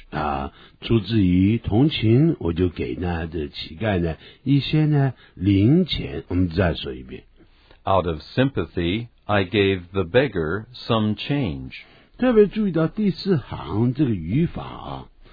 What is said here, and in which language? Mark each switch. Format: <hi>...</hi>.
<zh>啊，出自于同情，我就给那的乞丐呢一些呢零钱。我们再说一遍。</zh> <en>Out of sympathy, I gave the beggar some change.</en> <zh>特别注意到第四行这个语法啊，</zh>